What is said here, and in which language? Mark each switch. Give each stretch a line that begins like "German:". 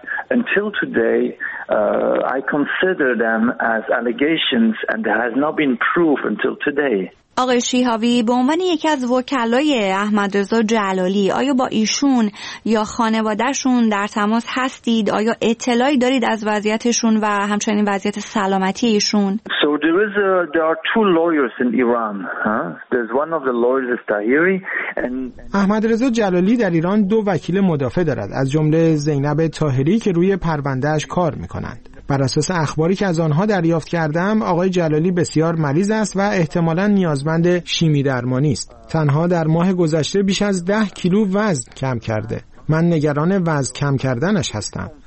English: Until today, I consider them as allegations and there has not been proof until today.
Persian: آقای شیهاوی، به عنوان یکی از وکلای احمد رضا جلالی آیا با ایشون یا خانوادهشون در تماس هستید؟ آیا اطلاعی دارید از وضعیتشون و همچنین وضعیت سلامتی ایشون؟
English: So there are two lawyers in Iran. There's one of the lawyers is Tahiri and
Persian: احمد رضا جلالی در ایران دو وکیل مدافع دارد از جمله زینب طاهری که روی پرونده‌اش کار می‌کنند. بر اساس اخباری که از آنها دریافت کردم آقای جلالی بسیار مریض است و احتمالاً نیازمند شیمی درمانی است. تنها در ماه گذشته بیش از 10 کیلو وزن کم کرده. من نگران وزن کم کردنش هستم.